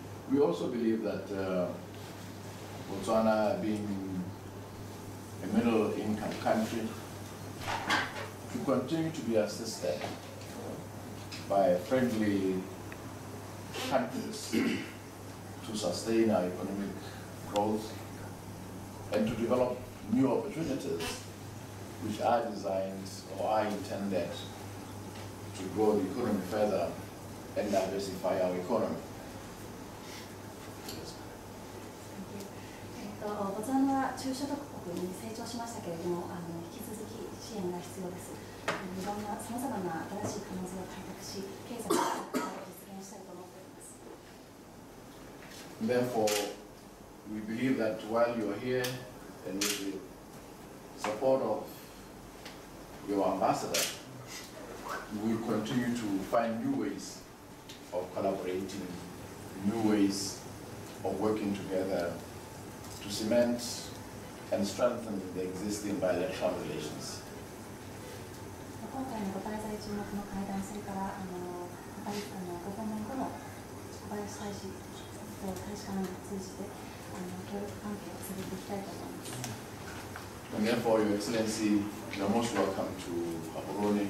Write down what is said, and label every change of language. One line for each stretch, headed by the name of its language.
English: We also believe that Botswana being a middle income country to continue to be assisted by friendly countries to sustain our economic growth and to develop new opportunities which are designed or are intended to grow the economy further and diversify our economy.
Japanese: ボツワナは中所得国に成長しましたけれども、引き続き支援が必要です。いろんなさまざまな新しい可能性を開拓し、経済の発展を実現したいと思っております。
English: Therefore, we believe that while you are here and with the support of your ambassador, we continue to find new ways of collaborating, new ways of working together. To cement and strengthen the existing bilateral relations.
Japanese: 今回のご滞在中の会談、それから ご訪問後の小林大使と大使館を通じて協力関係を続けていきたいと思います。
English: And therefore, Your Excellency, you're most welcome to Gaborone.